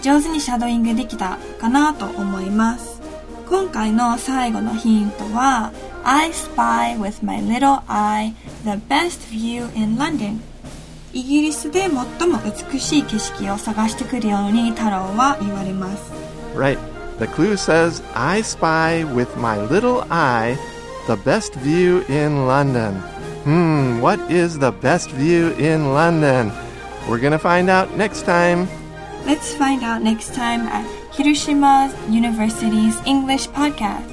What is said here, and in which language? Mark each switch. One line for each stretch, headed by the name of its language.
Japanese: 上手にシャドウイングできたかなと思います。今回の最後のヒントは
English: I spy with my little eye the best view in London。
Japanese: イギリスで最も美しい景色を探してくるようにタロウは言われます。
English: Right, the clue says I spy with my little eye the best view in London. What is the best view in London? We're gonna find out next time Let's find out next time at Hiroshima University's English Podcast.